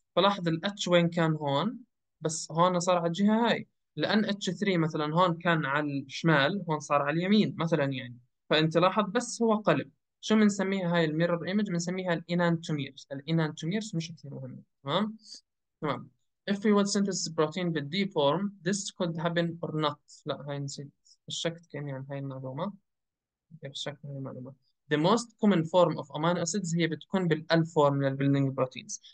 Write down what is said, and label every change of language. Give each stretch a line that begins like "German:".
Arabic: فلاحظ الاتش وين كان هون، بس هون صار على الجهة هاي، لأن اتش 3 مثلا هون كان على الشمال هون صار على اليمين مثلا يعني. فأنت لاحظ بس هو قلب. شو بنسميها هاي الميرور ايمج؟ بنسميها الانانتوميرس. الانانتوميرس مش كثير مهمة، تمام؟ تمام.
English: If we want synthesis protein with D form, this could happen or not.
Arabic: لا هاي نسيت، شكت كأني عن هاي المعلومة. شكت هاي المعلومة.
English: The most common form of amino acids
Arabic: هي بتكون بالال فورم للبيلدينج بروتينز.